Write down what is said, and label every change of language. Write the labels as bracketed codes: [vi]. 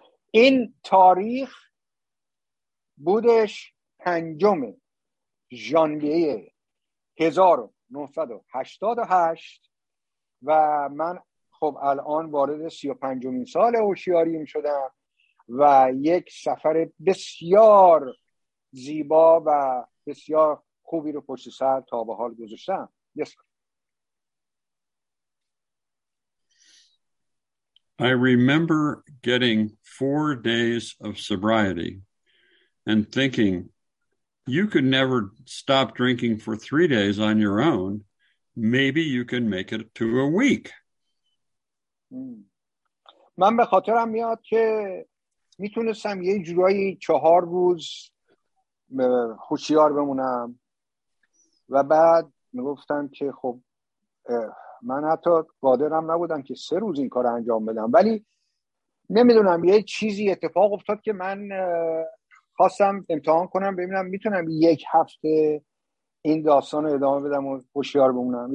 [fa] این تاریخ بودش پنجم ژانویه 1988 و من خب الان وارد 35مین سال هوشیاریم شدم و یک سفر بسیار زیبا و بسیار خوبی رو پشت سر تا به حال گذاشتم. [en] Yes. I remember getting 4 days of sobriety and thinking you could never stop drinking for 3 days on your own. Maybe you can make it to a week. [fa] من به خاطرم میاد که میتونستم یه جورایی 4 روز هوشیار بمونم و بعد میگفتم که خب من حتی قادرم نبودم که 3 روز این کار انجام بدم، ولی نمیدونم یه چیزی اتفاق افتاد که من خواستم امتحان کنم ببینم میتونم 1 هفته این داستان رو ادامه بدم و هوشیار بمونم.